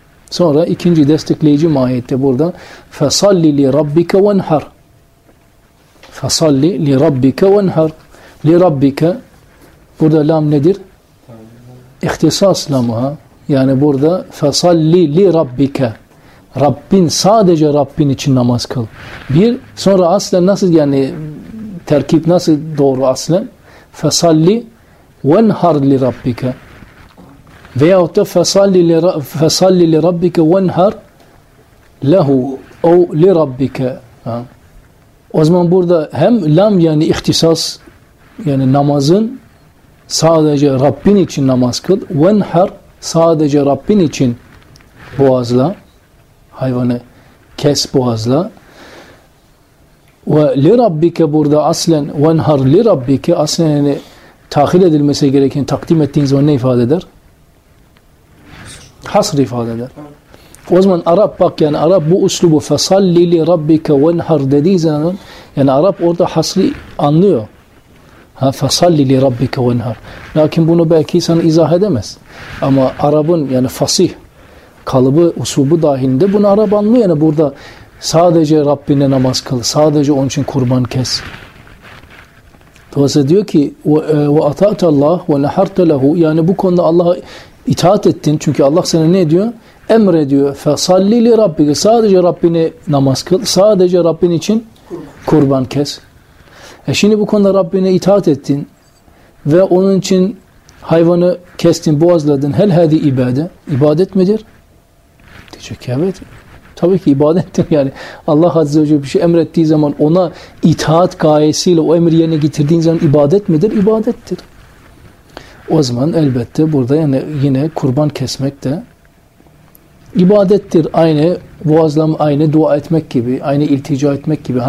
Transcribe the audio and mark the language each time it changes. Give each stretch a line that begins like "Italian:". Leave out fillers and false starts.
Turkish: Sonra ikinci destekleyici mahiyette burada
Arabic: فَصَلِّ لِرَبِّكَ وَنْحَرْ فَصَلِّ لِرَبِّكَ وَنْحَرْ لِرَبِّكَ.
Turkish: Burada lam nedir? İhtisas lamı, ha. Yani burada
Arabic: فَصَلِّ لِرَبِّكَ.
Turkish: Rabbin, sadece Rabbin için namaz kıl. Bir, sonra aslen nasıl, yani terkip nasıl doğru aslen?
Arabic: فَصَلِّ وَنْحَرْ لِرَبِّكَ
Turkish: veyahut da
Arabic: فَصَلِّ لِرَبِّكَ وَنْحَرْ لَهُ اَوْ لِرَبِّكَ.
Turkish: O zaman burada hem lam yani ihtisas, yani namazın sadece Rabbin için namaz kıl.
Arabic: وَنْحَرْ
Turkish: sadece Rabbin için boğazla, hayvanı kes boğazla.
Arabic: وَلِرَبِّكَ
Turkish: burada aslen
Arabic: وَنْحَرْ لِرَبِّكَ
Turkish: aslen yani tahil edilmesi gereken, takdim ettiğiniz zaman ne ifade eder? Hasr ifade eder. O zaman Arap, bak yani Arap bu üslubu
Arabic: فَصَلِّ لِرَبِّكَ وَنْحَرْ
Turkish: dediği zaman, yani Arap orada hasri anlıyor.
Arabic: Ha, فَصَلِّ لِرَبِّكَ وَنْحَرْ.
Turkish: Lakin bunu belki sana izah edemez. Ama Arap'ın yani fasih kalıbı, usubu dahilinde bunu Arap anlıyor. Yani burada sadece Rabbine namaz kıl, sadece onun için kurban kes. Dolayısıyla diyor ki
Arabic: وَأَطَعْتَ اللّٰهُ وَنَحَرْتَ لَهُ,
Turkish: yani bu konuda Allah'a İtaat ettin. Çünkü Allah sana ne diyor? Emrediyor.
Arabic: فَصَلِّ لِرَبِّكَ
Turkish: sadece Rabbine namaz kıl. Sadece Rabbin için kurban kes. E şimdi bu konuda Rabbine itaat ettin. Ve onun için hayvanı kestin, boğazladın.
Arabic: هَلْ هَذِي اِبَادَةٍ
Turkish: İbadet midir? Diyecek ki evet. Tabii ki ibadettir. Yani Allah Azze ve Celle bir şey emrettiği zaman, ona itaat gayesiyle o emri yerine getirdiğin zaman ibadet midir? İbadettir. O zaman elbette burada yani yine kurban kesmek de ibadettir. Aynı boğazlam, aynı dua etmek gibi, aynı iltica etmek gibi.